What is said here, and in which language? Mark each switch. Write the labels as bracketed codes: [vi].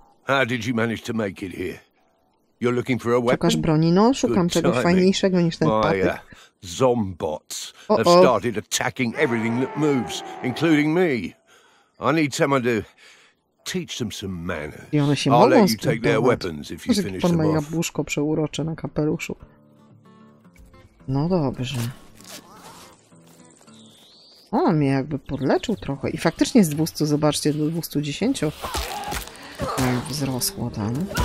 [en] How did you manage to make it here? You're looking for a weapon? [pl] Szukasz broni? No, szukam czegoś fajniejszego niż ten patyk. [en] Zombots have started attacking everything that moves, including me. I need someone to teach them some manners. [pl] I one się mogą spróbować. Pan ma jabłuszko przeurocze na kapeluszu. No dobrze. O, mnie jakby podleczył trochę. I faktycznie z 200, zobaczcie, do 210 wzrosło tam.